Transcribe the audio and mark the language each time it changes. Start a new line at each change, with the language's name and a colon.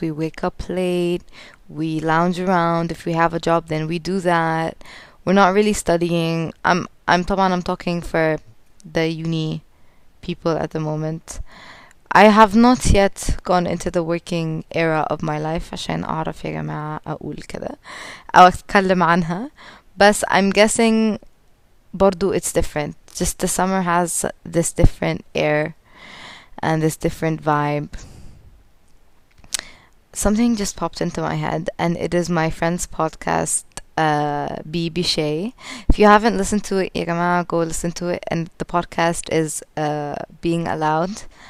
English: We wake up late, we lounge around. If we have a job, then we do that. We're not really studying. I'm talking for the uni people at the moment. I have not yet gone into the working era of my life.
Arabic: عشان أعرف يا جماعة أقول كده أو أتكلم عنها. بس
English: I'm guessing
Arabic: برضو
English: it's different. Just the summer has this different air and this different vibe. Something just popped into my head, and it is my friend's podcast, Bibi Shay. If you haven't listened to it, yagama, go listen to it. And the podcast is Being Allowed.